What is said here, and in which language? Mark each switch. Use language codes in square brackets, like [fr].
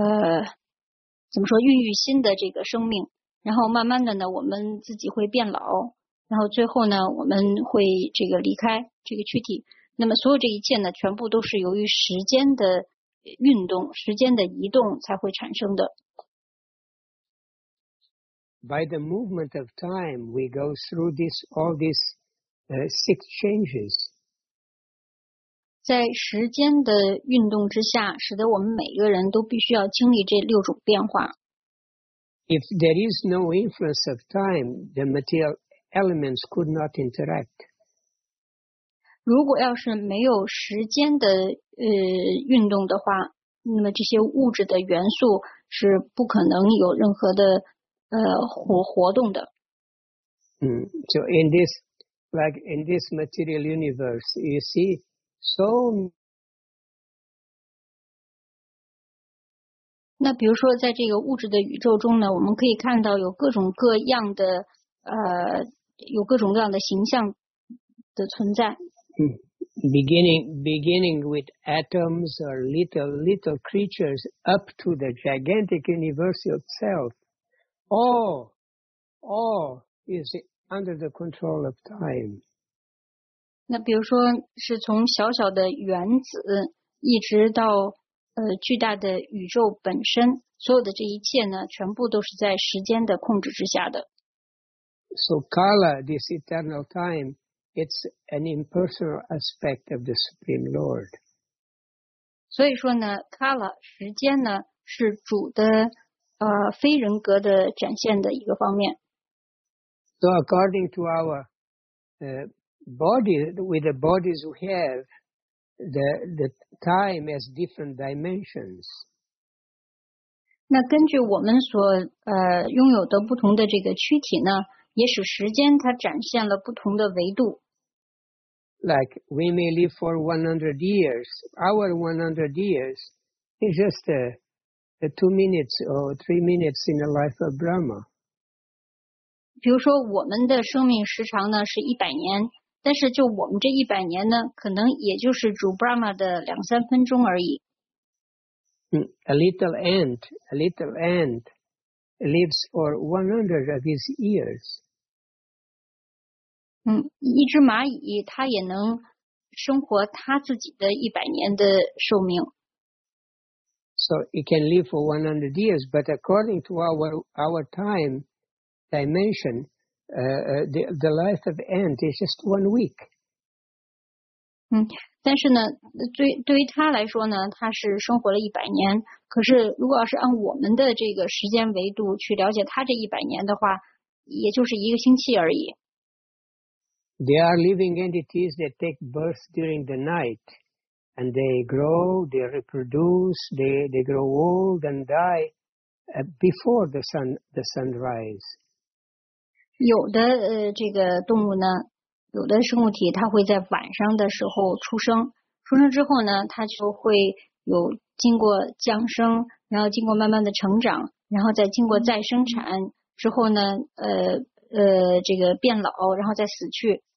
[zh] 怎么说，孕育新的这个生命，然后慢慢的呢，我们自己会变老，然后最后呢，我们会这个离开这个躯体。那么所有这一切呢，全部都是由于时间的运动，时间的移动才会产生的。 [en] By the movement of time, we go through this, all these, six changes. [zh] 在时间的运动之下，使得我们每个人都必须要经历这六种变化。 [en] If there is no influence of time, the material elements could not interact. [zh] 如果要是没有时间的运动的话，那么这些物质的元素是不可能有任何的活动的。 [en] So in this, like in this material universe, you see so. [zh] 那比如说在这个物质的宇宙中呢，我们可以看到有各种各样的有各种各样的形象的存在。 [en] Beginning with atoms or little creatures up to the gigantic universe itself. All is under the control of time. [zh] 那比如说是从小小的原子一直到巨大的宇宙本身，所有的这一切呢，全部都是在时间的控制之下的。 [en] So Kala, this eternal time, it's an impersonal aspect of the Supreme Lord. [zh] 所以说呢 ，Kala 时间呢是主的非人格的展现的一个方面。 [en] So according to our body, with the bodies we have, the time has different dimensions. [zh] 那根据我们所拥有的不同的这个躯体呢？也使时间它展现了不同的维度。 [en] Like we may live for 100 years, our 100 years is just two minutes or three minutes in the life of Brahma. [zh] 比如说我们的生命时长呢是一百年，但是就我们这一百年呢，可能也就是主 Brahma 的两三分钟而已。 [en] A little ant. Lives for 100 of his years. [zh] 一只蚂蚁它也能生活它自己的一百年的寿命。 [en] So it can live for 100 years, but according to our time dimension, the life of ant is just 1 week. [zh] 但是呢，对于他来说呢，他是生活了一百年。可是，如果要是按我们的这个时间维度去了解他这一百年的话，也就是一个星期而已。 [en] They are living entities that take birth during the night, and they grow, they reproduce, they grow old and die before the sun rise. [zh] 有的这个动物呢。有的生物体它会在晚上的时候出生，出生之后呢，它就会有经过降生，然后经过慢慢的成长，然后再经过再生产之后呢，这个变老，然后再死去。